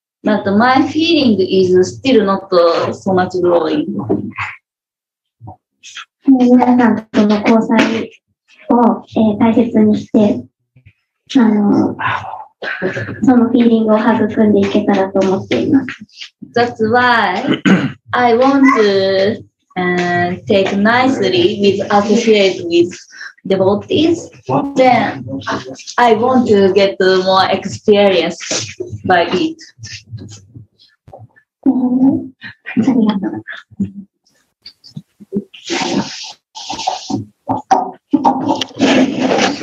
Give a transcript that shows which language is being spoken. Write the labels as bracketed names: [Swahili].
[English] But my feeling is still not so much growing. [Japanese] 皆さんとの交際を、大切にして、そのフィーリングを育んでいけたらと思っています。 [English] That's why I want to take nicely with associate with devotees. Then I want to get more experience by it. [Japanese] ありがとうございます。